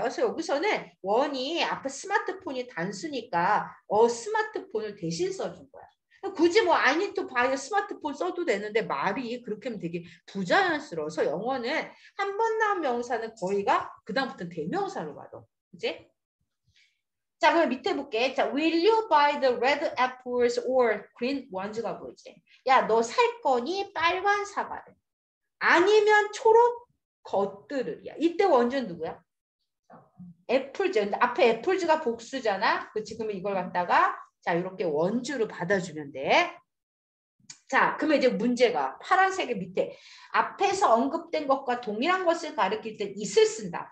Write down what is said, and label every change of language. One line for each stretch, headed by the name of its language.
Korean: 그래서 여기서는 원이 앞에 스마트폰이 단수니까 스마트폰을 대신 써준 거야. 굳이 뭐
English: I need to buy a
Korean: 스마트폰 써도 되는데 말이 그렇게 하면 되게 부자연스러워서 영어는 한 번 나온 명사는 거의가 그 다음부터는 대명사로 봐도, 그치? 자, 그럼 밑에 볼게. 자,
English: will you buy the red apples or green ones
Korean: 가 뭐지? 야, 너 살 거니 빨간 사과를. 아니면 초록 것들을이야. 이때 원전 누구야? 애플즈. 근데 앞에 애플즈가 복수잖아. 그렇지? 그러면 이걸 갖다가 자, 이렇게 원주를 받아주면 돼. 자, 그러면 이제 문제가 파란색의 밑에 앞에서 언급된 것과 동일한 것을 가리킬 때 있을 쓴다.